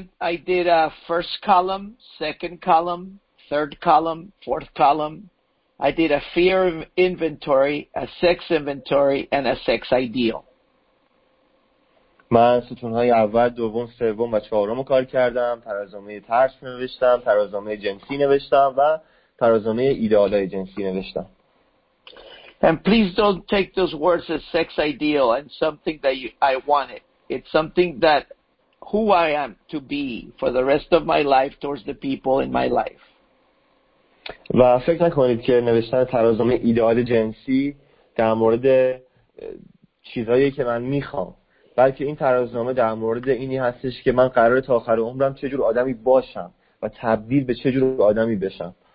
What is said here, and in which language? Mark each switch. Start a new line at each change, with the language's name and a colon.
English: I did a first column, second column, third column, fourth column. I did a fear inventory, a sex inventory, and a sex ideal.
Persian: من ستون‌های اول، دوم، سوم و چهارم رو کار کردم. ترازنامه ترس نوشتم، ترازنامه جنسی نوشتم و ترازنامه ایده‌آلای جنسی نوشتم.
English: And please don't take those words as sex ideal and something that I wanted. It's something that who I am to be for the rest of my life towards the people in my life.
Persian: و فکر نکنید که نوشتن ترازنامه ایده‌آل جنسی در مورد چیزایی که من میخوام، بلکه این ترازنامه در مورد اینی هستش که من قراره تا آخر عمرم چجور آدمی باشم و تبدیل به چجور آدمی بشم.